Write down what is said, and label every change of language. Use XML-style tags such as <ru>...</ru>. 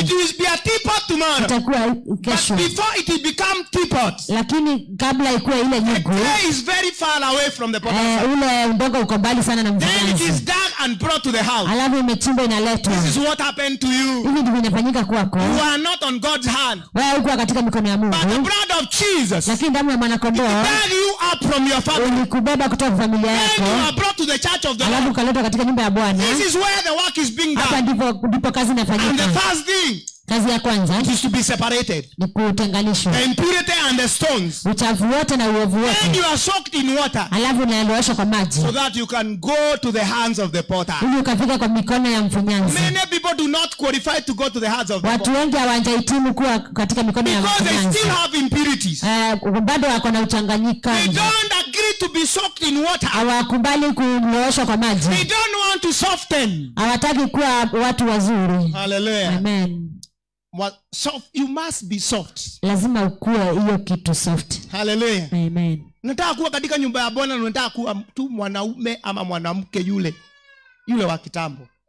<en>It will be a teapot tomorrow.</en> <sw>Itakuwa kesho.</sw> <en>But before it will become teapot.</en> <sw>Lakini kabla ikuwe ile nyugu.</sw> <en>The clay is very far away from the potter.</en> <sw>Ule udongo uko mbali sana na mvunyazi.</sw> <en>Then it is dug and brought to the house.</en> <sw>Alafu imechimbwa inaletwa.</sw> <en>This is what happened to you.</en> <sw>Hivi ndivyo inafanyika kwako.</sw> <en>You are not on God's hand.</en> <sw>Wewe uko katika mikono ya Mungu.</sw> <en>But the blood of Jesus.</en> <sw>Lakini damu ya mwana kondoo.</sw> <en>It bring you up from your family.</en> <sw>Ulikubeba kutoka familia yako.</sw> <en>To the church of the Lord.</en> <sw>Alafu kaleta katika nyumba ya Bwana.</sw> <en>This is where the work is being done.</en> <sw>Hapa ndipo kazi inafanyika.</sw> <en>And the first thing.</en> <sw>Kazi ya kwanza.</sw> <en>It is to be separated.</en> <sw>Ni kutenganishwa.</sw> <en>The impurity and the stones.</en> <sw>Uchafu wote na uovu wote.</sw> <en>Then you are soaked in water.</en> <sw>Alafu unaloshwa kwa maji.</sw> <en>So that you can go to the hands of the potter.</en> <sw>Ili ukafika kwa mikono ya mfunyanzi.</sw> <en>Many people do not qualify to go to the hands of the potter.</en> <sw>Watu wengi hawajahitimu kuwa katika mikono ya mfunyanzi.</sw> <en>Because they still have impurities.</en> <sw>Bado wako na uchanganyika.</sw> <en>To be soaked in water.</en> <sw>Hawakubali kuloshwa kwa maji.</sw> <en>They don't want to soften.</en> <sw>Hawataki kuwa watu wazuri. Hallelujah. Amen.</sw> <en>Well, soft, you must be soft.</en> <sw>Lazima ukue hiyo kitu soft. Hallelujah. Amen. Nataka kuwa katika nyumba ya Bwana, nataka kuwa tu mwanaume ama mwanamke yule wa kitambo.</sw>